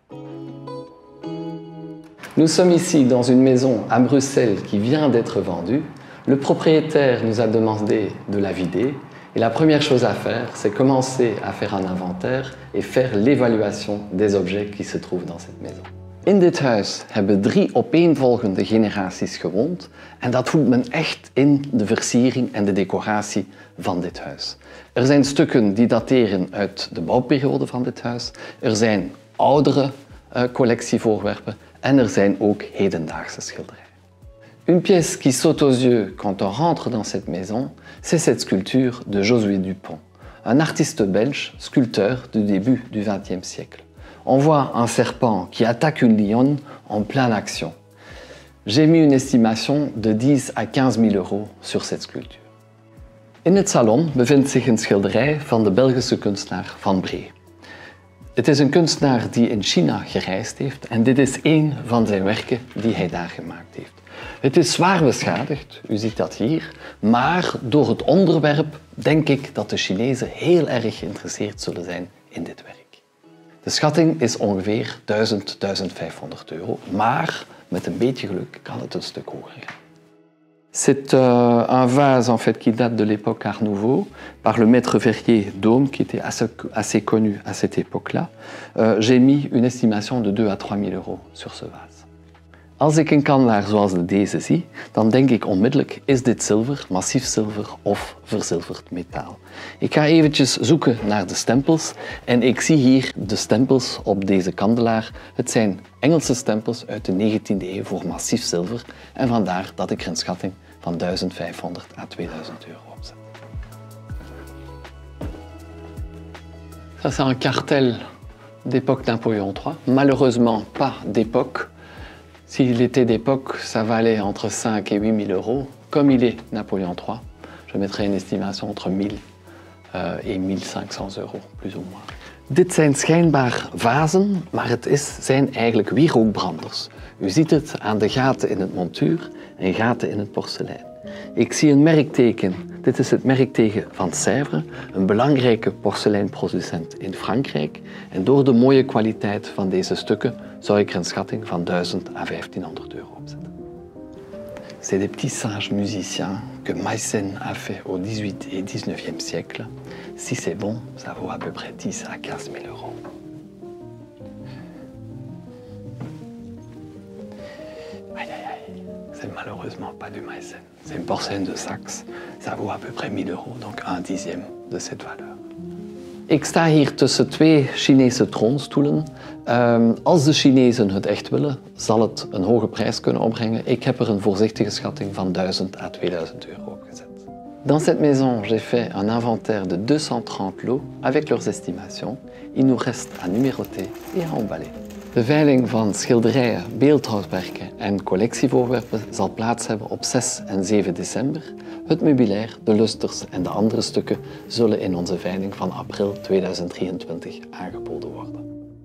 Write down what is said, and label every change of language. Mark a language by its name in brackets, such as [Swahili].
[French] Nous sommes ici dans une maison à Bruxelles qui vient d'être vendue. Le propriétaire nous a demandé de la vider. Et la première chose à faire, c'est commencer à faire un inventaire et faire l'évaluation des objets qui se trouvent dans cette maison. [Dutch] In dit huis hebben drie opeenvolgende generaties gewoond. En dat voelt men echt in de versiering en de decoratie van dit huis. Er zijn stukken die dateren uit de bouwperiode van dit huis. Er zijn oudere collectievoorwerpen. En er zijn ook hedendaagse schilderijen. [French] Une pièce qui saute aux yeux quand on rentre dans cette maison, c'est cette sculpture de Josué Dupont, un artiste belge, sculpteur du début du XXe siècle. On voit un serpent qui attaque une lionne en plein action. J'ai mis une estimation de 10 à 15 000 euros sur cette sculpture. [Dutch] In het salon bevindt zich een schilderij van de Belgische kunstenaar Van Bree. Het is een kunstenaar die in China gereisd heeft en dit is één van zijn werken die hij daar gemaakt heeft. Het is zwaar beschadigd, u ziet dat hier, maar door het onderwerp denk ik dat de Chinezen heel erg geïnteresseerd zullen zijn in dit werk. De schatting is ongeveer 1000-1500 euro, maar met een beetje geluk kan het een stuk hoger gaan. [French] C'est un vase en fait qui date de l'époque Art Nouveau par le maître verrier Dôme qui était assez connu à cette époque-là. J'ai mis une estimation de 2 à 3 000 euros sur ce vase. [Dutch] Als ik een kandelaar zoals deze zie, dan denk ik onmiddellijk is dit zilver, massief zilver of verzilverd metaal. Ik ga eventjes zoeken naar de stempels en ik zie hier de stempels op deze kandelaar. Het zijn Engelse stempels uit de 19e eeuw voor massief zilver en vandaar dat ik er een schatting van 1500 à 2000 euro op zet. [French] Ça c'est un cartel d'époque Napoléon III. Malheureusement pas d'époque. S'il était d'époque, ça valait entre 5 et 8 000 euros. Comme il est Napoléon III, je mettrais une estimation entre 1 000 et 1 500 euros, plus ou moins. [Dutch] Dit zijn schijnbaar vazen, maar het zijn eigenlijk wierookbranders. U ziet het aan de gaten in het montuur en gaten in het porselein. Ik zie een merkteken. Dit is het merkteken van Sèvres, een belangrijke porseleinproducent in Frankrijk. En door de mooie kwaliteit van deze stukken zou ik er een schatting van 1000 à 1500 euro op zetten. [French] C'est des petits singes musiciens que Meissen a fait au 18e et 19e siècle. Si c'est bon, ça vaut à peu près 10 à 15 000 euros. Aïe, aïe, aïe, c'est malheureusement pas du Meissen. C'est une porcelaine de Saxe. Ça vaut à peu près 1 000 euros, donc un dixième de cette valeur. [Dutch] Ik sta hier tussen twee Chinese troonstoelen. Als de Chinezen het echt willen, zal het een hoge prijs kunnen opbrengen. Ik heb er een voorzichtige schatting van 1000 à 2000 euro op gezet. [French] Dans cette maison, j'ai fait un inventaire de 230 lots avec leurs estimations. Il nous reste à numéroter et à emballer. [Dutch] De veiling van schilderijen, beeldhouwwerken en collectievoorwerpen zal plaats hebben op 6 en 7 december. Het meubilair, de lusters en de andere stukken zullen in onze veiling van april 2023 aangeboden worden.